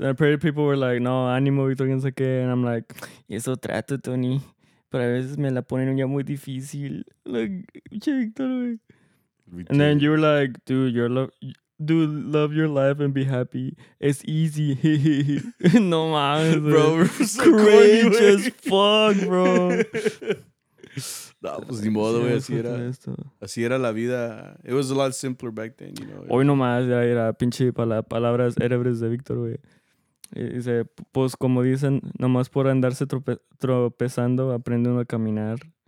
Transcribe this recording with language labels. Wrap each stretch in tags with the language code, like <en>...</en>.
<en>And apparently people were like,</en> <es>no, ánimo, Victor, quién sabe qué.</es> <en>And I'm like,</en> <es>eso trato,</es> <en>Tony.</en> <es>Pero a veces me la ponen ya muy difícil.</es> <en>Like, che, Victor, güey. And then you were like, dude, love your life and be happy. It's easy. No, man. Bro, courageous as fuck, bro.</en> <es>No, pues ni modo, güey, así era. Así era la vida.</es> <en>It was a lot simpler back then, you know.</en> <es>Hoy nomás ya era pinche palabras érebres de Víctor, güey. Dice, pues como dicen, nomás por andarse tropezando, aprendiendo a caminar.</es>